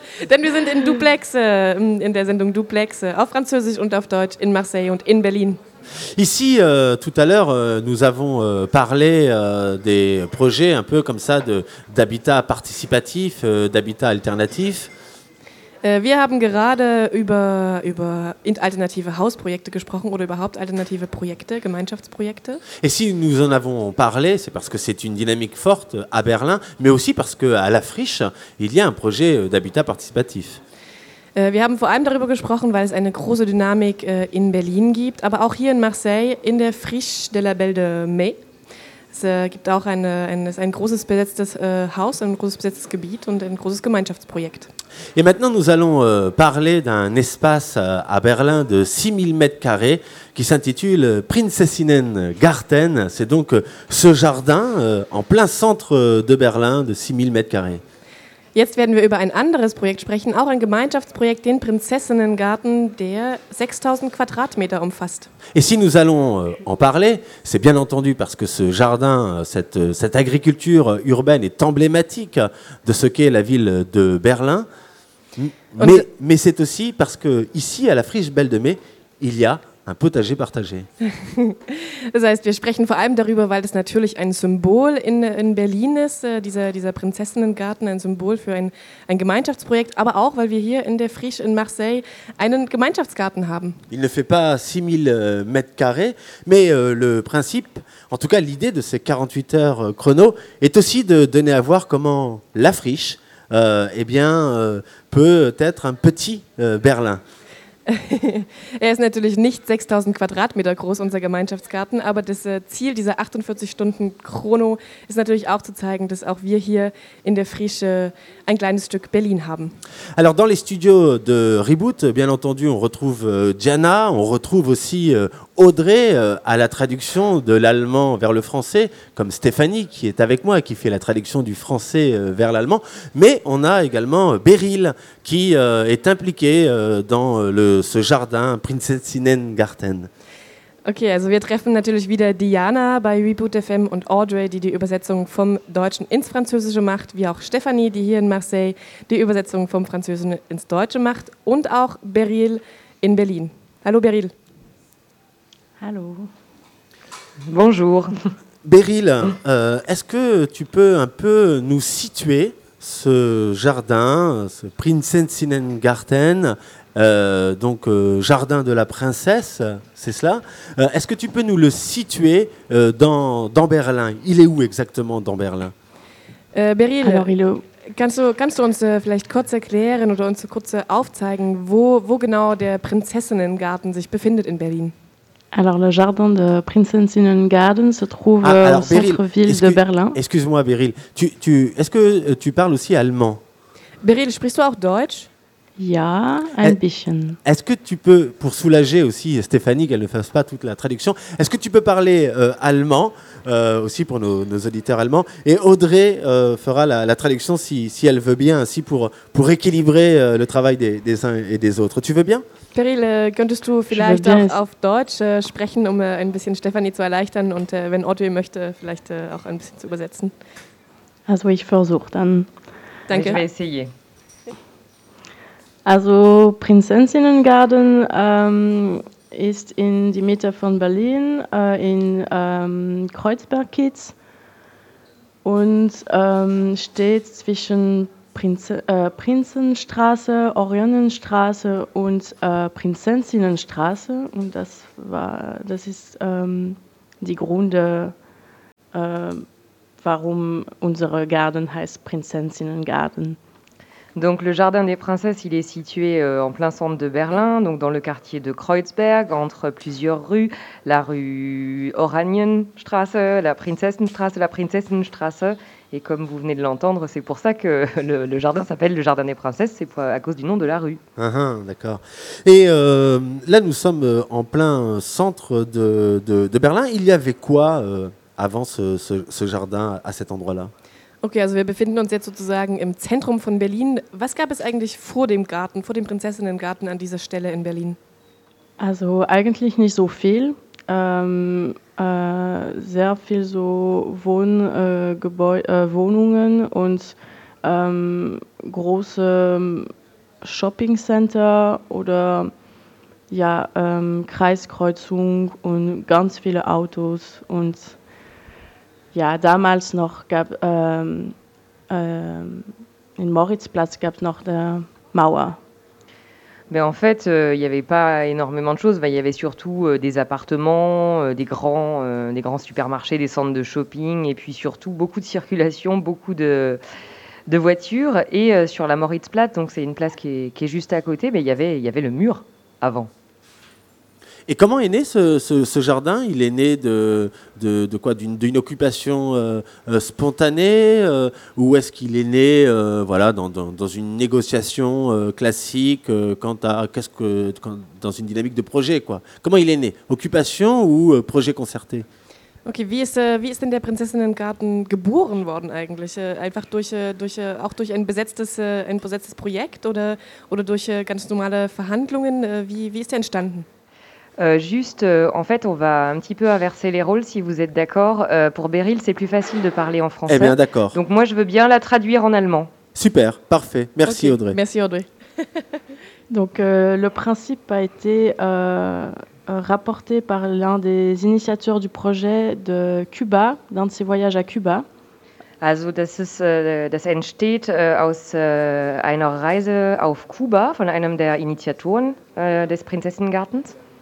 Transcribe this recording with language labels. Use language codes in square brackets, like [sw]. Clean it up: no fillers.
[de] Denn wir sind in Duplex, in der Sendung Duplex, auf Französisch und auf Deutsch, in Marseille und in Berlin. [fr] Ici, tout à l'heure, nous avons parlé des projets un peu comme ça d'habitat participatif, d'habitat alternatif. [de] Wir haben gerade über alternative Hausprojekte gesprochen oder überhaupt alternative Projekte, Gemeinschaftsprojekte. [fr] Et si nous en avons parlé, c'est parce que c'est une dynamique forte à Berlin, mais aussi parce qu'à La Friche, il y a un projet d'habitat participatif. [de] Wir haben vor allem darüber gesprochen, weil es eine große Dynamik in Berlin gibt, aber auch hier in Marseille, in der Friche de la Belle de Mai. Es gibt auch ein großes besetztes Haus, ein großes besetztes Gebiet und ein großes Gemeinschaftsprojekt. [fr] Et maintenant, nous allons parler d'un espace à Berlin de 6000 mètres carrés qui s'intitule Prinzessinnen Garten. C'est donc ce jardin en plein centre de Berlin de 6000 mètres carrés. [de] Jetzt werden wir über ein anderes Projekt sprechen, auch ein Gemeinschaftsprojekt, den Prinzessinnengarten, der 6000 Quadratmeter umfasst. [fr] Et si nous allons en parler, c'est bien entendu parce que ce jardin, cette agriculture urbaine est emblématique de ce qu'est la ville de Berlin. Mais c'est aussi parce que ici à la Friche Belle de Mai, il y a un potager partagé. [de] Das heißt, wir sprechen vor allem darüber, weil das natürlich ein Symbol in Berlin ist, dieser Prinzessinnengarten, ein Symbol für ein Gemeinschaftsprojekt, aber auch, weil wir hier in der Friche in Marseille einen Gemeinschaftsgarten haben. [fr] Il ne fait pas 6000 mètres carrés, mais le principe, en tout cas l'idée de ces 48 heures chrono, est aussi de donner à voir comment la Friche peut être un petit Berlin. [de] Er ist natürlich nicht 6000 Quadratmeter groß, unser Gemeinschaftsgarten, aber das Ziel dieser 48 Stunden Chrono ist natürlich auch zu zeigen, dass auch wir hier in der Friche ein kleines Stück Berlin haben. [fr] Alors dans les studios de Reboot, bien entendu, on retrouve Diana, on retrouve aussi Audrey à la traduction de l'allemand vers le français, comme Stéphanie qui est avec moi, qui fait la traduction du français vers l'allemand, mais on a également Beryl qui est impliqué dans ce jardin Prinzessinnen Garten. [de] Ok, also wir treffen natürlich wieder Diana bei Reboot FM und Audrey, die die Übersetzung vom Deutschen ins Französische macht, wie auch Stéphanie, die hier in Marseille die Übersetzung vom Französischen ins Deutsche macht und auch Beryl in Berlin. Hallo Beryl. Hallo. [fr] Bonjour. Beryl, est-ce que tu peux un peu nous situer ce jardin, ce Prinzessinnen Garten, jardin de la princesse, c'est cela. Est-ce que tu peux nous le situer dans Berlin? Il est où exactement dans Berlin? [de] Beryl, kannst du uns vielleicht kurz erklären oder uns kurz aufzeigen, wo genau der Prinzessinnengarten sich befindet in Berlin? [fr] Alors, le jardin de Prinzessinnen Garten se trouve au centre-ville de Berlin. Excuse-moi, Beryl, est-ce que tu parles aussi allemand? [de] Beryl, sprichst du auch Deutsch? Ja, ein bisschen. [fr] Est-ce que tu peux, pour soulager aussi Stéphanie, qu'elle ne fasse pas toute la traduction, est-ce que tu peux parler allemand, aussi pour nos auditeurs allemands, et Audrey fera la traduction si elle veut bien, ainsi pour équilibrer le travail des uns et des autres. Tu veux bien? [de] Beryl, könntest du vielleicht auch auf Deutsch sprechen, um ein bisschen Stéphanie zu erleichtern und wenn Audrey möchte, vielleicht auch ein bisschen zu übersetzen? Also ich versuche dann. Danke. Ich werde versuchen. Also Prinzessinnengarten ist in die Mitte von Berlin, in Kreuzberg-Kiez und steht zwischen Prinzenstraße, Orionenstraße und Prinzessinnenstraße. Und das ist die Grunde warum unser Garten heißt Prinzessinnengarten. [fr] Donc le Jardin des Princesses, il est situé en plein centre de Berlin, donc dans le quartier de Kreuzberg, entre plusieurs rues, la rue Oranienstraße, la Prinzessinstraße, la Prinzessinstraße. Et comme vous venez de l'entendre, c'est pour ça que le jardin s'appelle le Jardin des Princesses, c'est à cause du nom de la rue. Ah, d'accord. Et là, nous sommes en plein centre de Berlin. Il y avait quoi avant ce jardin à cet endroit-là? [de] Okay, also wir befinden uns jetzt sozusagen im Zentrum von Berlin. Was gab es eigentlich vor dem Garten, vor dem Prinzessinnengarten an dieser Stelle in Berlin? Also eigentlich nicht so viel. Sehr viel so Wohnungen und große Shoppingcenter oder ja, Kreiskreuzung und ganz viele Autos und ja, damals noch gab in Moritzplatz gab es noch der Mauer. [fr] Mais en fait, il n'y avait pas énormément de choses. Il y avait surtout des appartements, des grands supermarchés, des centres de shopping, et puis surtout beaucoup de circulation, beaucoup de voitures. Et sur la Moritzplatz, donc c'est une place qui est juste à côté, mais il y avait le mur avant. Et comment est né ce jardin? Il est né de quoi? D'une occupation spontanée ou est-ce qu'il est né dans une négociation classique dans une dynamique de projet quoi? Comment il est né? Occupation ou projet concerté? [de] Okay, wie ist denn der Prinzessinnengarten geboren worden eigentlich? Einfach durch ein besetztes Projekt oder durch ganz normale Verhandlungen? Wie ist der entstanden? [fr] En fait, on va un petit peu inverser les rôles, si vous êtes d'accord. Pour Beryl, c'est plus facile de parler en français. Eh bien, d'accord. Donc moi, je veux bien la traduire en allemand. Super, parfait. Merci, okay. Audrey. Merci, Audrey. Donc, le principe a été rapporté par l'un des initiateurs du projet de Cuba, d'un de ses voyages à Cuba. [de] Also das entsteht aus einer Reise auf Kuba von einem der Initiatoren des Prinzessinnengartens.